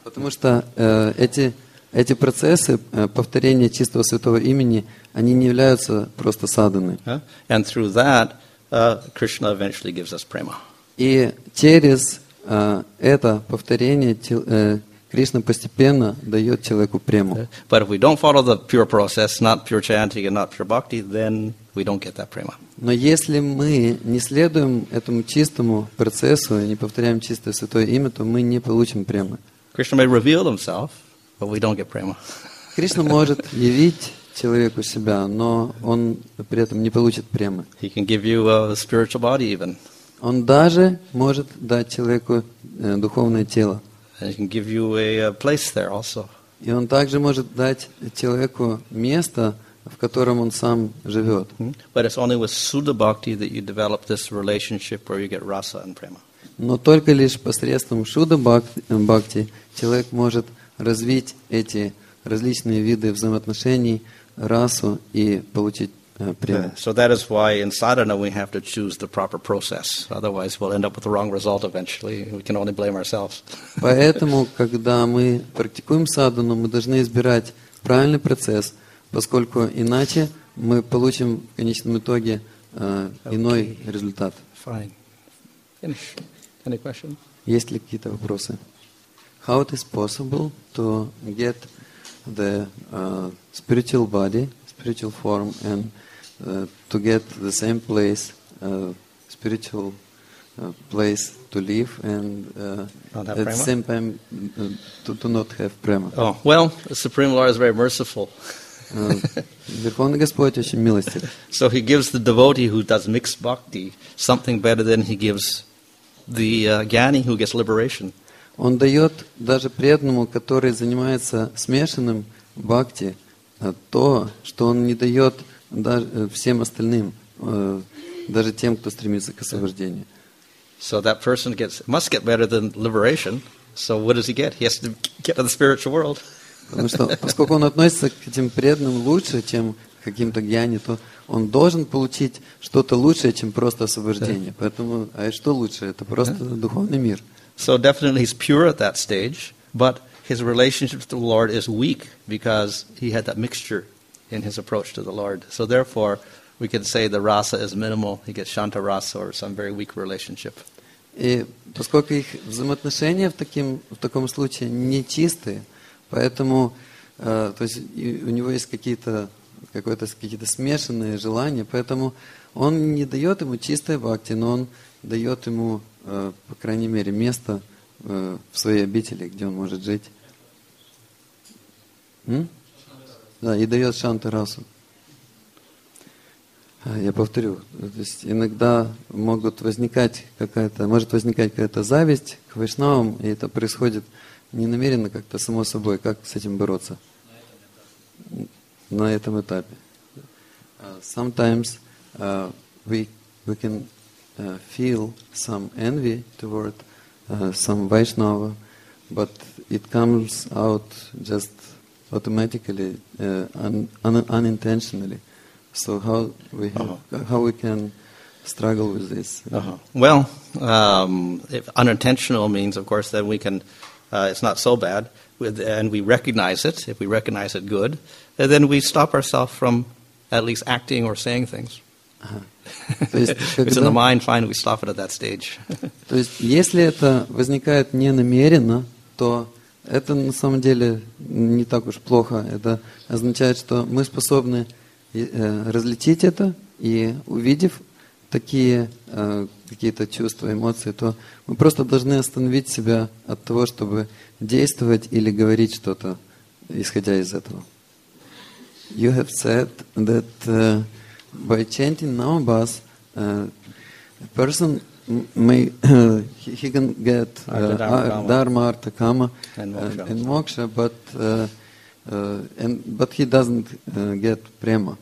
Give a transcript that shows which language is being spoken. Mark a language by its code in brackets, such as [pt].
[ru] Потому что эти процессы повторения чистого святого имени, они не являются просто садханой. [en] And through that, Krishna eventually gives us prema. [ru] И через это повторение Кришна постепенно дает человеку прему. [en] But if we don't follow the pure process, not pure chanting and not pure bhakti, then we don't get that prema. [ru] Но если мы не следуем этому чистому процессу и не повторяем чистое святое имя, то мы не получим премы. [en] Krishna may reveal himself, but we don't get prema. [ru] Кришна может явить человеку себя, но он при этом не получит премы. [en] He can give you a spiritual body even. [ru] Он даже может дать человеку духовное тело. [en] And he can give you a place there also. [ru] И он также может дать человеку место, в котором он сам живет. [en] But it's only with Suddha Bhakti that you develop this relationship where you get rasa and prema. [ru] Но только лишь посредством Suddha Bhakti человек может развить эти различные виды взаимоотношений, расу и получить прему. [en] So that is why in sadhana we have to choose the proper process. Otherwise we'll end up with the wrong result eventually. We can only blame ourselves. [ru] Поэтому, когда мы практикуем садхану, мы должны избирать правильный процесс, поскольку иначе мы получим в конечном итоге иной результат. [en] Fine. Finish. Any question? [ru] Есть ли какие-то вопросы? [en] How it is possible to get the spiritual body, spiritual form, and to get the same place, spiritual place to live, and at the same time to not have prema. Oh, well, the Supreme Lord is very merciful. [ru] Верховный Господь очень милостив. [en] So he gives the devotee who does mixed bhakti something better than he gives the jnani who gets liberation. [ru] Он дает даже преданному, который занимается смешанным бхакти, то, что он не дает даже всем остальным, даже тем, кто стремится к освобождению. [en] So that person must get better than liberation. So what does he get? He has to get to the spiritual world. [ru] Потому что, поскольку он относится к этим преданным лучше, чем к каким-то гьяни, то он должен получить что-то лучшее, чем просто освобождение. Поэтому, а что лучше? Это просто духовный мир. [en] So definitely he's pure at that stage, but his relationship to the Lord is weak because he had that mixture in his approach to the Lord. So therefore, we can say the rasa is minimal. He gets shanta rasa or some very weak relationship. [ru] И поскольку их взаимоотношения в таком случае не чистые, поэтому то есть у него есть какие-то смешанные желания, поэтому он не дает ему чистой бхакти, но он дает ему по крайней мере место в своей обители, где он может жить. Да, и дает шанты расу. Я повторю, то есть иногда может возникать какая-то зависть к вайшнавам, и это происходит не намеренно, как-то само собой. Как с этим бороться на этом этапе? [en] Sometimes we can feel some envy toward some Vaishnava, but it comes out just automatically, unintentionally. So how we can struggle with this. Uh-huh. Well, if unintentional means, of course, that we can, it's not so bad, and we recognize it, if we recognize it good, then we stop ourselves from at least acting or saying things. It's in the mind, fine, we stop it at that stage. [ru] То есть, если это возникает не намеренно, то это на самом деле не так уж плохо. Это означает, что мы способны различить это, и увидев такие какие-то чувства, эмоции, то мы просто должны остановить себя от того, чтобы действовать или говорить что-то, исходя из этого. [en] You have said that by chanting Namabhas, a person may he can get dharma, artha, kama, and moksha, but he doesn't get prema.